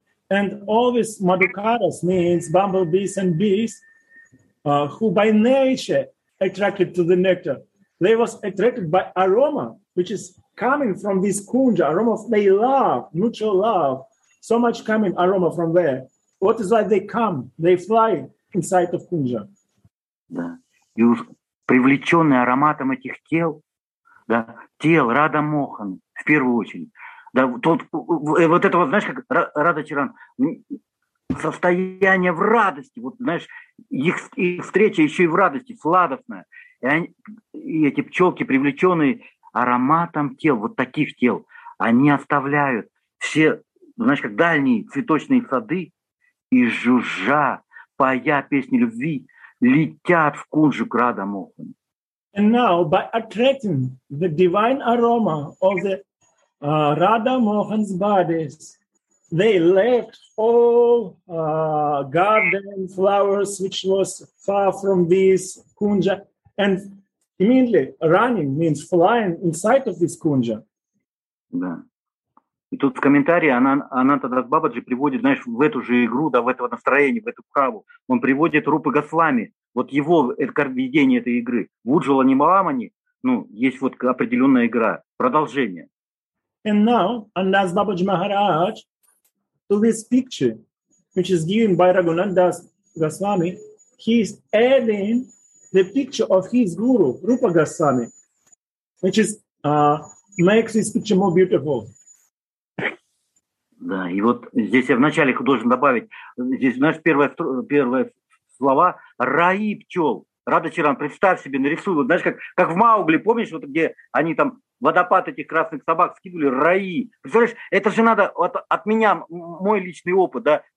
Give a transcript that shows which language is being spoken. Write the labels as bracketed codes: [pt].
[en] And all these madhukaras means bumblebees and bees, who by nature attracted to the nectar. They was attracted by aroma, which is coming from this kunja, aroma of their love, mutual love. So much coming aroma from there. What is like they come, they fly inside of Kunja. [ru] Да. И привлеченный ароматом этих тел, да, тел Радха Моханы, в первую очередь. Да, тот, вот этого, знаешь, как Радха Чаран, состояние в радости, вот, знаешь, их встреча еще и в радости, сладостная. И, они, и эти пчелки, привлеченные ароматом тел, вот таких тел, они оставляют все, знаешь, как дальние цветочные сады, и жужжа, поя песни любви, летят в кунжу к Радха Моханы. [en] And now, by attracting the divine aroma of the Radha Mohan's bodies, they left all garden flowers, which was far from this kunja, and immediately running means flying inside of this kunja. [ru] Да. И тут в комментарии Анантадас Бабаджи приводит, знаешь, в эту же игру, да, в это настроение, в эту праву. Он приводит Рупы Гасвами, вот его видение этой игры. В Уджала Нималамани, ну, есть вот определенная игра, продолжение. [en] And now, Anantadas Бабаджи Maharaj, to this picture, which is given by Raghunandas Goswami, he is adding the picture of his guru, Rupa Gasvami, which is, makes this picture more beautiful. [ru] Да, и вот здесь я вначале должен добавить, здесь, знаешь, первые слова, раи пчел, Радха Чаран, представь себе, нарисуй, вот, знаешь, как в Маугли, помнишь, вот где они там водопад этих красных собак скидывали, раи, представляешь, это же надо от меня, мой личный опыт, да,